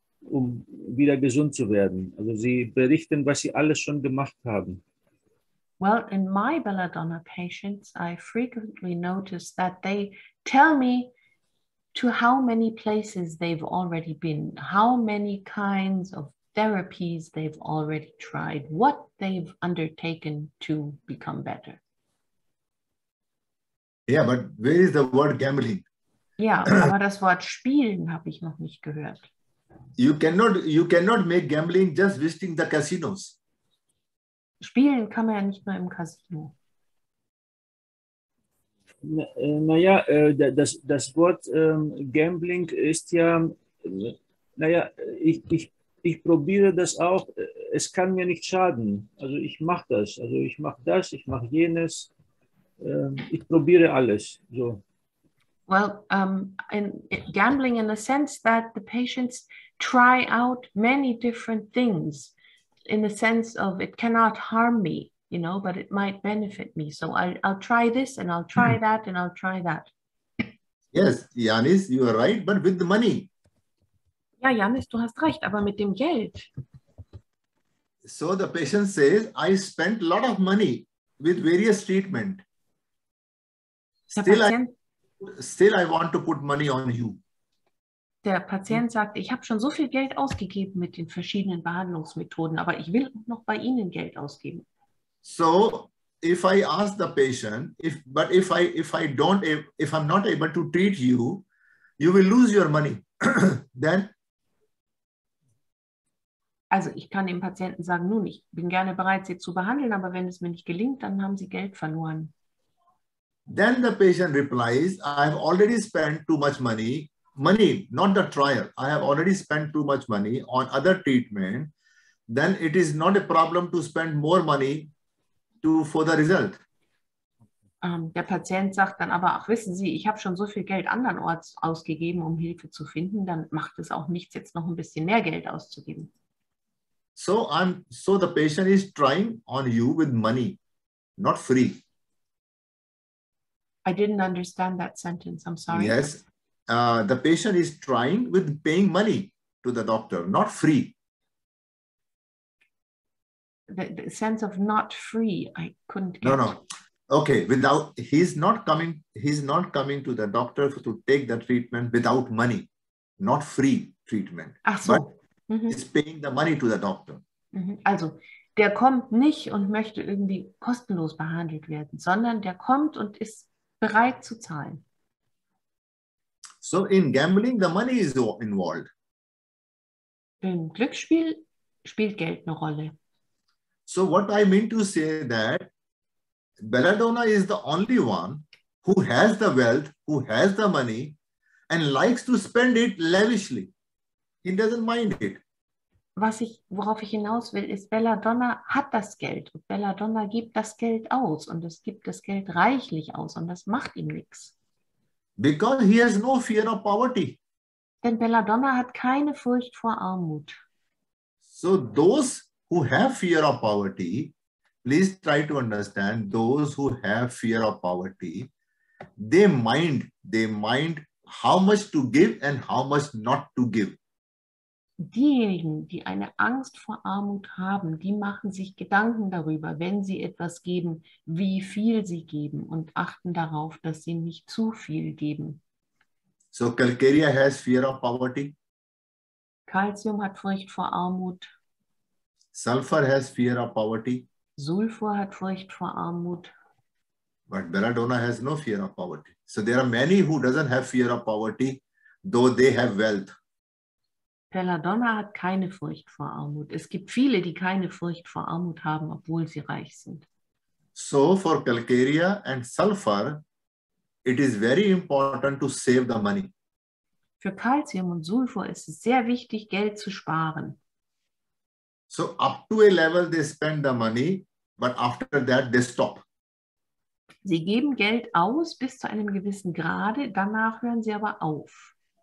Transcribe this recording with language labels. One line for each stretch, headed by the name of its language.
German: um wieder gesund zu werden. Also sie berichten, was sie alles schon gemacht haben.
English: Well, in my belladonna patients, I frequently notice that they tell me to how many places they've already been, how many kinds of therapies they've already tried, what they've undertaken to become better. Yeah, but where is the word gambling?
German: Yeah, aber das Wort spielen habe ich noch nicht gehört.
English: You cannot make gambling just visiting the casinos.
German: Spielen kann man ja nicht nur im Casino. Naja, das Wort Gambling ist ja, naja, ich probiere das auch, es kann mir nicht schaden. Also ich mache das, ich mache jenes, ich probiere alles.
English: So. Well, in gambling in the sense that the patients try out many different things, in the sense of it cannot harm me. You know, but it might benefit me. So I'll try this and I'll try that and I'll try that. Yes, Yanis, you are right, but with the money.
German: Ja, Yanis, du hast recht, aber mit dem Geld.
English: So the patient says, I spent a lot of money with various treatment. Still I want to put money on you.
German: Der Patient sagt, ich habe schon so viel Geld ausgegeben mit den verschiedenen Behandlungsmethoden, aber ich will auch noch bei Ihnen Geld ausgeben.
English: So if I ask the patient, if I'm not able to treat you, you will lose your money. Then?
German: Also ich kann dem Patienten sagen, nun, ich bin gerne bereit, Sie zu behandeln, aber wenn es mir nicht gelingt, dann haben Sie Geld verloren.
English: Then the patient replies, I've already spent too much money, not the trial. I have already spent too much money on other treatment. Then it is not a problem to spend more money for the result.
German: Der Patient sagt dann aber, ach wissen Sie, ich habe schon so viel Geld andernorts ausgegeben, um Hilfe zu finden, dann macht es auch nichts, jetzt noch ein bisschen mehr Geld auszugeben.
English: So the patient is trying on you with money, not free. I didn't understand that sentence, I'm sorry. Yes, the patient is trying with paying money to the doctor, not free. The sense of not free, I couldn't get. No. Okay, he's not coming to the doctor to take the treatment without money, not free treatment.
German: Ach so.
English: But he's paying the money to the doctor.
German: Also, der kommt nicht und möchte irgendwie kostenlos behandelt werden, sondern der kommt und ist bereit zu zahlen.
English: So in gambling, the money is involved.
German: Im Glücksspiel spielt Geld eine Rolle.
English: So what I mean to say that belladonna is the only one who has the wealth, who has the money and likes to spend it lavishly. He doesn't mind it.
German: Worauf ich hinaus will, ist belladonna hat das Geld und belladonna gibt das Geld aus und es gibt das Geld reichlich aus und das macht ihm nichts.
English: Because he has no fear of poverty.
German: Denn belladonna hat keine Furcht vor Armut.
English: So those who have fear of poverty, please try to understand, those who have fear of poverty, they mind how much to give and how much not to give.
German: Diejenigen, die eine Angst vor Armut haben, die machen sich Gedanken darüber, wenn sie etwas geben, wie viel sie geben und achten darauf, dass sie nicht zu viel geben.
English: So calcarea has fear of poverty.
German: Calcium hat Furcht vor Armut.
English: Sulfur has fear of poverty.
German: Sulfur hat Furcht vor Armut.
English: But belladonna has no fear of poverty. So there are many who doesn't have fear of poverty, though they have wealth.
German: Belladonna hat keine Furcht vor Armut. Es gibt viele, die keine Furcht vor Armut haben, obwohl sie reich sind.
English: So for calcarea and sulfur, it is very important to save the money.
German: Für Calcium und Sulfur ist es sehr wichtig, Geld zu sparen.
English: So up to a level they spend the money, but after that they stop.
German: Sie geben Geld aus bis zu einem gewissen Grade, danach hören sie aber auf.